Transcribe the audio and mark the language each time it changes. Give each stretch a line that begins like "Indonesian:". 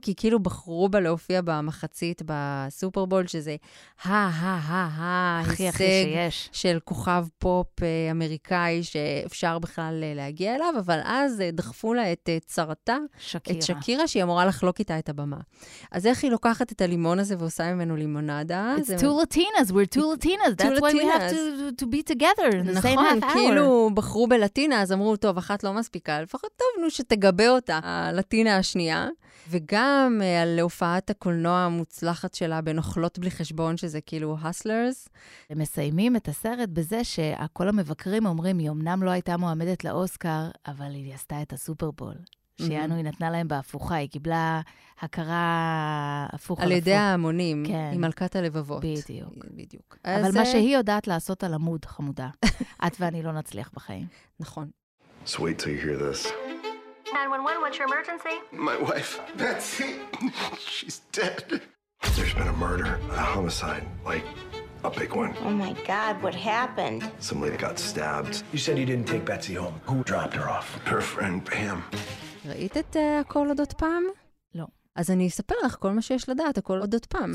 Hebrew: כי כאילו בחרו בה להופיע במחצית בסופרבול, שזה הישג של כוכב פופ אמריקאי שאפשר בכלל להגיע אליו, אבל אז דחפו דחפו לה את צרתה, שקירה. את שקירה, שהיא אמורה לחלוק איתה את הבמה. אז איך היא לוקחת את הלימון הזה ועושה ממנו לימונדה?
English: It's two Latinas, we're two Latinas. That's why we have to be together in the same half hour.
Hebrew: כאילו בחרו בלטינה, אז אמרו, טוב, אחת לא מספיקה, לפחות טוב, נו, שתגבה אותה, הלטינה השנייה. וגם על הופעת הקולנוע המוצלחת שלה בנוכלות בלי חשבון, שזה כאילו Hustlers. הם מסיימים את הסרט בזה שכל המבקרים אומרים, היא אמנם לא הייתה מועמדת לאוסקר, אבל היא עשתה את הסופרבול. שיאנו, היא נתנה להם בהפוכה, היא קיבלה הכרה הפוך על ידי ההמונים, היא מלכת הלבבות. בדיוק. אבל מה שהיא יודעת לעשות על עמוד, חמודה, את ואני לא נצליח בחיים. נכון.
English: So wait till you hear this. 911, what's your emergency? My wife, Betsy, she's dead. There's been a murder, a homicide, like a big one. Oh my God, what happened? Some lady got stabbed. You said you didn't take Betsy home. Who dropped her off? Her friend, Pam.
Hebrew: ראית את הכל עוד עוד פעם? לא. אז אני אספר לך כל מה שיש לדעת, הכל עוד עוד פעם.